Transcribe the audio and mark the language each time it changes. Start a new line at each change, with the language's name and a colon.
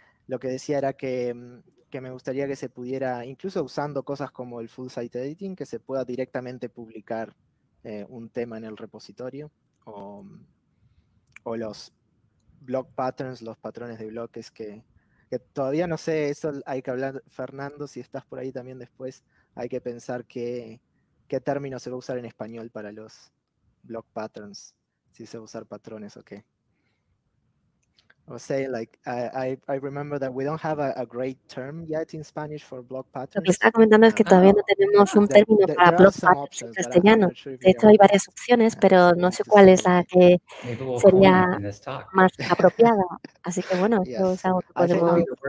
Spanish: Lo que decía era que me gustaría que se pudiera, incluso usando cosas como el full site editing, que se pueda directamente publicar un tema en el repositorio o los blog patterns, los patrones de bloques que todavía no sé, eso hay que hablar, Fernando, si estás por ahí también después, hay que pensar qué término se va a usar en español para los block patterns, si se usar patrones o qué.
English: I'll say like I remember that we don't have a great term yet in Spanish for block patterns.
Spanish: Lo que está comentando es que todavía no tenemos un término para block patterns en castellano. De hecho, hay varias opciones, pero no sé cuál es la que sería más apropiada. Así que bueno, eso es algo que podemos.